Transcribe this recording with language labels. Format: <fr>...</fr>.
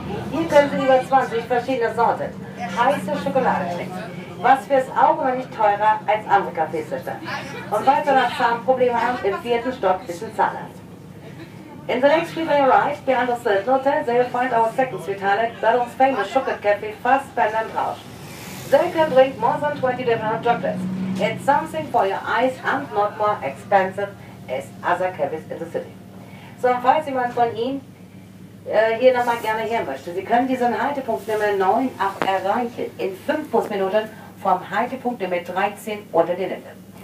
<de>Hier können Sie über 20 verschiedene Sorten heiße Schokolade trinken. Was fürs Auge noch nicht teurer als andere Cafésitze. Und falls Sie noch Zahnprobleme haben, im vierten Stock ist ein Zahnarzt.</de> <en>In the next freeway ride, behind the third hotel, they will find our second sweet highlight, Berlin's famous chocolate cafe, Fassbender and Rausch. They can drink more than 20 different chocolates. It's something for your eyes and not more expensive as other cafes in the city.</en> <de>So, falls jemand von Ihnen hier nochmal gerne hier möchte, Sie können diesen Haltepunkt Nummer 9 auch erreichen in 5 Busminuten vom Haltepunkt Nummer 13 unter den Linden.</de>